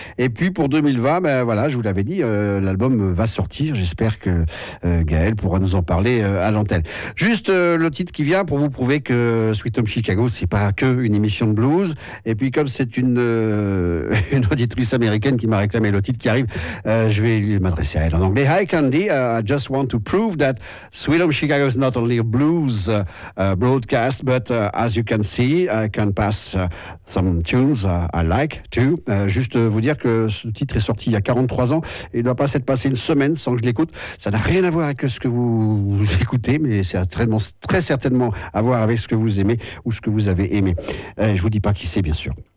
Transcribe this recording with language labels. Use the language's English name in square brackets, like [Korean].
[French] Et puis pour 2020, ben voilà, je vous l'avais dit, l'album va sortir. J'espère que Gaël pourra nous en parler à l'antenne. Juste le titre qui vient pour vous prouver que Sweet Home Chicago, c'est pas que une émission de blues. Et puis comme c'est une auditrice américaine qui m'a réclamé le titre qui arrive, je vais lui m'adresser. En anglais. [English] Hi Candy, I just want to prove that Sweet Home Chicago is not only a blues broadcast, but as you can see, I can pass some tunes I like too. [French] Juste vous dire que ce titre est sorti il y a 43 ans et il ne doit pas s'être passé une semaine sans que je l'écoute. Ça n'a rien à voir avec ce que vous écoutez, mais c'est très certainement à voir avec ce que vous aimez ou ce que vous avez aimé. Je ne vous dis pas qui c'est, bien sûr.